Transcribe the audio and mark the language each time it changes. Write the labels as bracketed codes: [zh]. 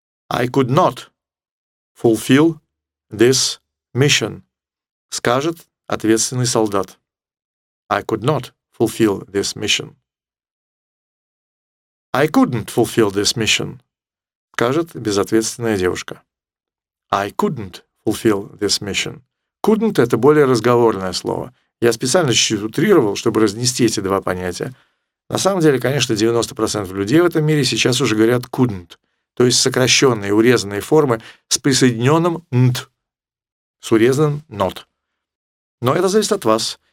[en] I could not fulfill this mission. [ru] Скажет ответственный солдат. [en] I could not fulfill this mission. I couldn't fulfill this mission. [ru] Скажет безответственная девушка. [en] I couldn't fulfill this mission. [ru] Couldn't – это более разговорное слово. Я специально чуть-чуть утрировал, чтобы разнести эти два понятия. На самом деле, конечно, 90% людей в этом мире сейчас уже говорят couldn't, то есть сокращенные, урезанные формы с присоединенным nt, с урезанным not. Но это зависит от вас.